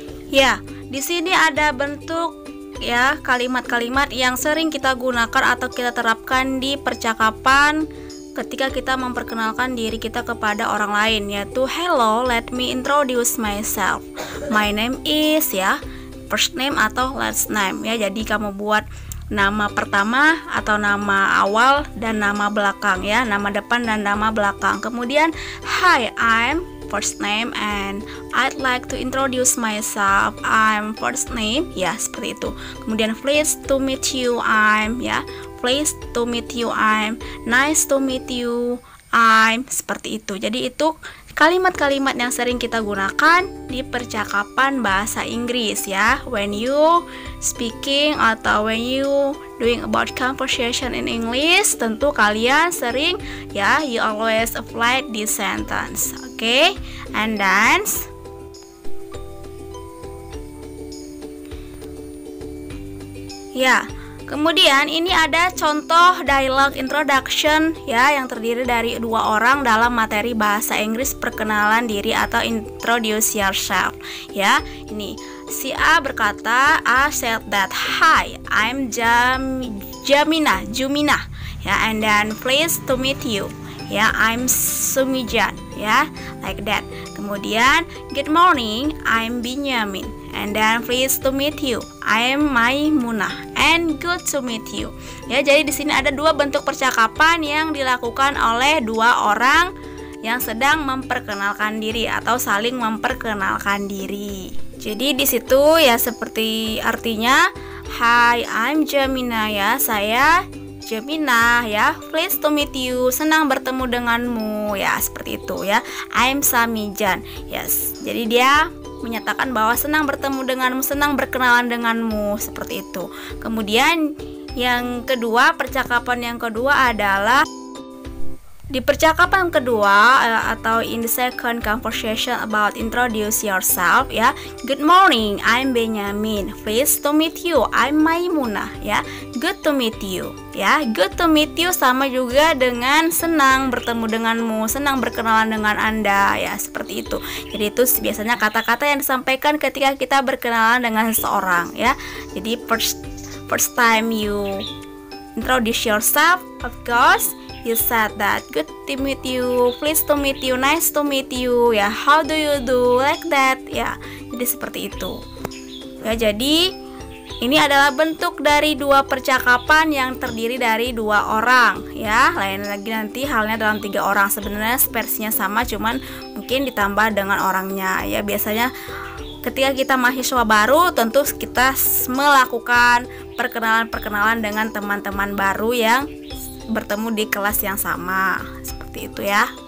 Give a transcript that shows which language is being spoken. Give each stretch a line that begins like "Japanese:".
Indonesian: Ya, di sini ada bentuk, ya, kalimat-kalimat yang sering kita gunakan atau kita terapkan di percakapan ketika kita memperkenalkan diri kita kepada orang lain, yaitu
English: hello, let me introduce myself. My name is, ya, first name atau last name, ya.
Indonesian: Jadi kamu buat nama pertama atau nama awal dan nama belakang, ya, nama depan dan nama belakang.
English: Kemudian hi, I'm first name and I'd like to introduce myself, I'm first name, ya, seperti itu. Kemudian pleased to meet you, I'm, ya, pleased to meet you, I'm, nice to meet you, I'm,
Indonesian: seperti itu. Jadi itu kalimat-kalimat yang sering kita gunakan di percakapan bahasa Inggris, ya.
English: When you speaking atau when you doing about conversation in English,
Indonesian: tentu kalian sering,
English: ya, you always apply this sentence. Okay, and then
Indonesian: ya, kemudian ini ada contoh dialog introduction, ya, yang terdiri dari dua orang dalam materi bahasa Inggris perkenalan diri atau introduce yourself, ya. Ini si A berkata,
English: I said that hi, I'm Jumina, ya, and then pleased to meet you, ya, I'm Sumijan, ya, like that. Kemudian good morning, I'm Benjamin, and then pleased to meet you, I'm Maimuna, and good to meet you.
Indonesian: Ya, jadi di sini ada dua bentuk percakapan yang dilakukan oleh dua orang yang sedang memperkenalkan diri atau saling memperkenalkan diri. Jadi di situ, ya, seperti artinya,
English: hi, I'm Jamina,
Indonesian: ya, saya Jamina, ya,
English: pleased to meet you,
Indonesian: senang bertemu denganmu, ya, seperti itu, ya.
English: I'm Samijan, yes.
Indonesian: Jadi dia menyatakan bahwa senang bertemu denganmu, senang berkenalan denganmu, seperti itu. Kemudian yang kedua, percakapan yang kedua adalah di percakapan kedua atau
English: in the second conversation about introduce yourself
Indonesian: ya.
English: Good morning, I'm Benjamin. Pleased to meet you. I'm Maimuna ya. Good to meet you ya. Good to meet you
Indonesian: sama juga dengan senang bertemu denganmu, senang berkenalan dengan Anda ya, seperti itu. Jadi itu biasanya kata-kata yang disampaikan ketika kita berkenalan dengan seseorang ya.
English: Jadi first time you introduce yourself, of course you said that good to meet you, pleased to meet you, nice to meet you, ya. Yeah. How do you do? Like that, ya. Yeah.
Indonesian: Jadi seperti itu. Ya, jadi ini adalah bentuk dari dua percakapan yang terdiri dari dua orang, ya. Lain lagi nanti halnya dalam tiga orang. Sebenarnya versinya sama, cuman mungkin ditambah dengan orangnya. Ya, biasanya ketika kita mahasiswa baru, tentu kita melakukan perkenalan-perkenalan dengan teman-teman baru yang bertemu di kelas yang sama, seperti itu ya.